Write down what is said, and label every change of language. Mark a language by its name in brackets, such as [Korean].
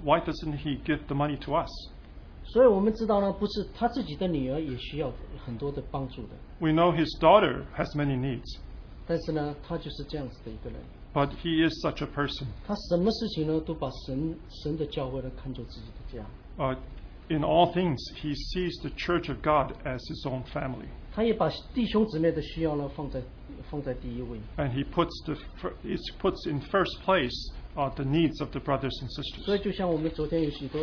[English] Why doesn't he give the money to us？ [Chinese] 所以我们知道呢，不是他自己的女儿也需要很多的帮助的。 [English] We know his daughter has many needs. [Chinese] 但是呢，他就是这样子的一个人。 [English] But he is such a person. [Chinese] 他什么事情呢，都把神的教会呢看作自己的家。 [English] In all things, he sees the church of God as his own family. [Chinese] 他也把弟兄姊妹的需要呢放在第一位。 [English] And he puts puts in first place the needs of the brothers and sisters.